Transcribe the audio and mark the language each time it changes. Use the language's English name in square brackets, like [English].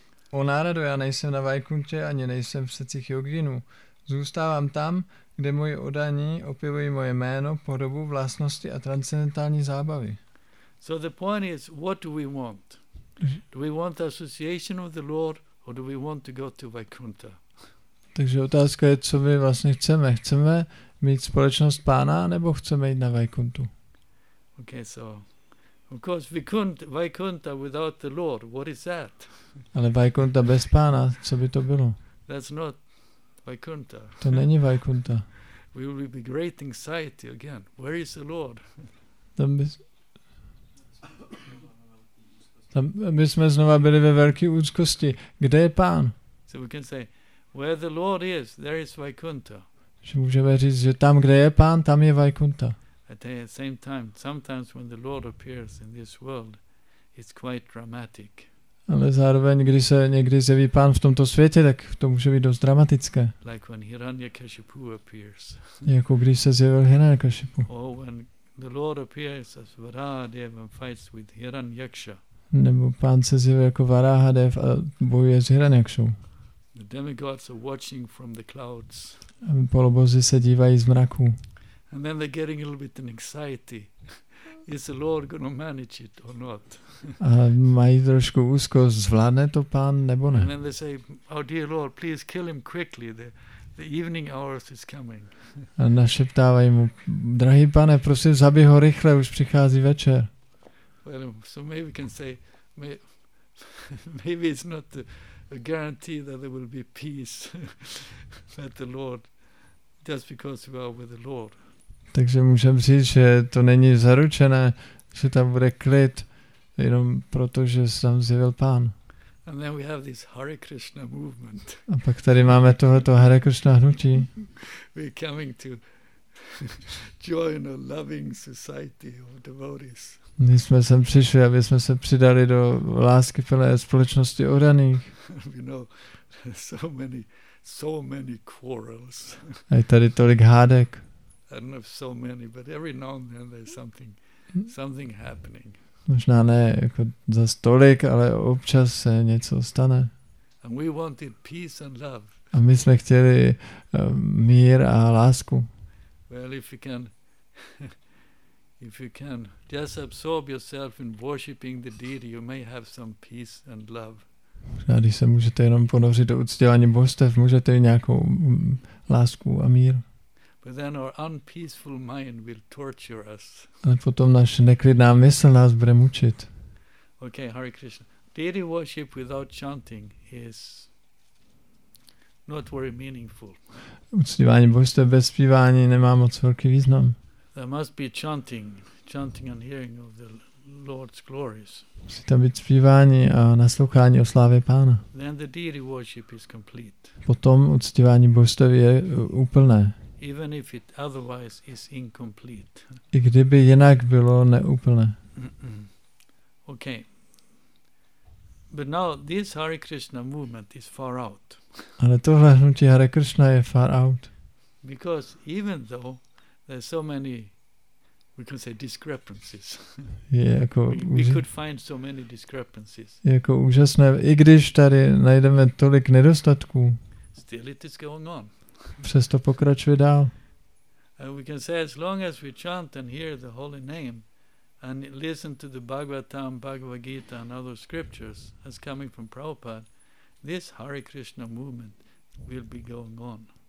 [Czech] O Narado, já nejsem na Vaikunthe, ani nejsem v srdcích yoginů. Zůstávám tam, kde moji oddaní opěvují moje jméno, podobu, vlastnosti a transcendentální zábavy. [English] So the point is, what do we want? Do we want the association of the Lord, or do we want to go to Vaikuntha? [Czech] Takže otázka je, co my vlastně chceme. Chceme mít společnost Pána, nebo chceme jít na Vaikunthu? [English] Okay, so... Of course, Vaikuntha without the Lord, what is that? [Czech] Ale Vaikuntha bez Pána, co by to bylo? [English] That's not Vaikuntha. [Czech] To není Vaikuntha. [English] We will be great anxiety again. Where is the Lord? [Czech] My jsme znova byli ve velké úzkosti. Kde je Pán? [English] So we can say, where the Lord is, there is Vaikuntha. [Czech] Že můžeme říct, že tam, kde je Pán, tam je Vaikuntha. [English] At the same time, sometimes when the Lord appears in this world, it's quite dramatic. [Czech] Ale zároveň, když se někdy zjeví Pán v tomto světě, tak to může být dost dramatické. [English] Like when Hiranyakashipu appears. [Czech] Jako když se zjevil Hiranyakashipu. [English] Or when the Lord appears as Varahadev and fights with Hiranyaksha. [Czech] Nebo Pán se zjevil jako Varahadev a bojuje s Hiranyakshou. [English] The demigods are watching from the clouds. [Czech] A polobozy se dívají z mraku. [English] And then they're getting a little bit in anxiety. Is the Lord going to manage it or not? [Czech] A mají trošku úzkost, zvládne to Pán nebo ne? [English] And then they say, oh dear Lord, please kill him quickly. The evening hours is coming. [Czech] A našeptávají mu, drahý Pane, prosím, zabij ho rychle, už přichází večer. [English] Well, so maybe we can say, maybe it's not a guarantee that there will be peace, that the Lord just because you are with the Lord. [Czech] Takže můžeme říct, že to není zaručené, že tam bude klid, jenom protože se tam zjevil Pán. [English] And then we have this Hare Krishna movement. [Czech] A pak tady máme tohleto Hare Krishna hnutí. [English] We're coming to join a loving society of devotees. [Czech] My jsme sem přišli, aby jsme se přidali do láskyplné společnosti oraných. [English] You know, so many quarrels. [Czech] A je tady tolik hádek. [English] I don't know so many, but every now and then there's something happening. [Czech] Možná ne jako za stolik, ale občas se něco stane. [English] And we wanted peace and love. [Czech] A my jsme chtěli mír a lásku. [English] Well, if you can just absorb yourself in worshiping the deity, you may have some peace and love. [Czech] Možná, když se můžete jenom ponořit do uctívání božstev, můžete nějakou lásku a mír. [English] But then our unpeaceful mind will torture us. [Czech] Ale potom naše neklidná mysl nás bude mučit. [English] Okay, Hare Krishna. Deity worship without chanting is not very meaningful. [Czech] Uctívání božstev bez zpívání nemá moc velký význam. [English] There must be chanting and hearing of the Lord's glories. [Czech] Musí tam být zpívání a naslouchání o slávě Pána. [English] Then the deity worship is complete. [Czech] Potom uctívání božstev je úplné. [English] Even if it otherwise is incomplete. [Czech] I kdyby jinak bylo neúplné. [English] Okay. But now this Hare Krishna movement is far out. [Czech] Ale tohle hnutí Hare Krishna je [English] far out. Because even though there's so many, we can say discrepancies. [Czech] Jako [English] we could find so many discrepancies. [Czech] Jako úžasné, i když tady najdeme tolik nedostatků. [English] Still it is going on. [Czech] Přesto pokračuje dál. [English] And we can say as long as we chant and hear the holy name and listen to the Bhagavatam, Bhagavad Gita and other scriptures as coming from Prabhupada, this Hare Krishna movement will be going on.